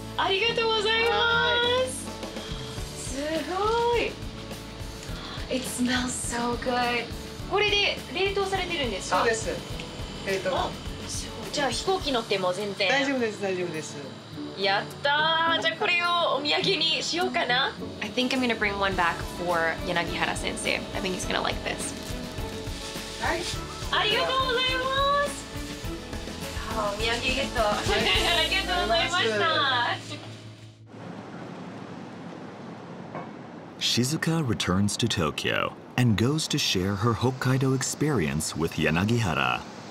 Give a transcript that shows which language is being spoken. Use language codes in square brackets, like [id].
[ja] ありがとうございます。すごい。 [en] It smells so good。 [ja] これで冷凍されてるんですか。そうです。冷凍。じゃあ飛行機乗っても全然大丈夫です。大丈夫です。やったー。じゃあこれをお土産にしようかな。 [en] I think I'm gonna bring one back for Yanagihara sensei. I think he's gonna like this. [ja] はい、ありがとうございます。お土産ゲット、はい、ありがとうございました。 [en] Shizuka returns to Tokyo and goes to share her Hokkaido experience with Yanagihara.